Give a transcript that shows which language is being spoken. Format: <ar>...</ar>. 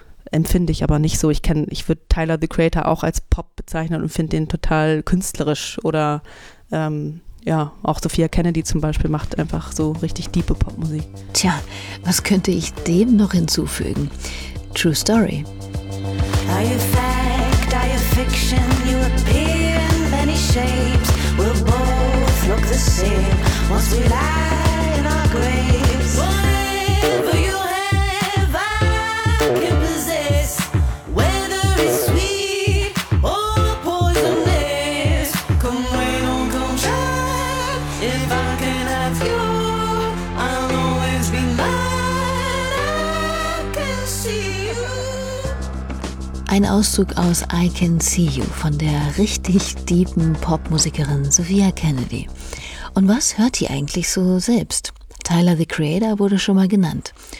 <de>Empfinde ich aber nicht so. Ich würde Tyler the Creator auch als Pop bezeichnen und finde den total künstlerisch. Oder auch Sophia Kennedy zum Beispiel macht einfach so richtig tiefe Popmusik. Tja, was könnte ich dem noch hinzufügen?</de> <en>True Story. Are you fact, are you fiction? You appear in many shapes. We'll both look the same once we lie in our graves. Whatever you have, I can possess. Whether it's sweet or poisonous. Come rain or come shine, if I can have you, I'll always be mine. I can see you.</en> <de>Ein Auszug aus I Can See You von der richtig deepen Popmusikerin Sophia Kennedy. Und was hört die eigentlich so selbst? Tyler the Creator wurde schon mal genannt.</de>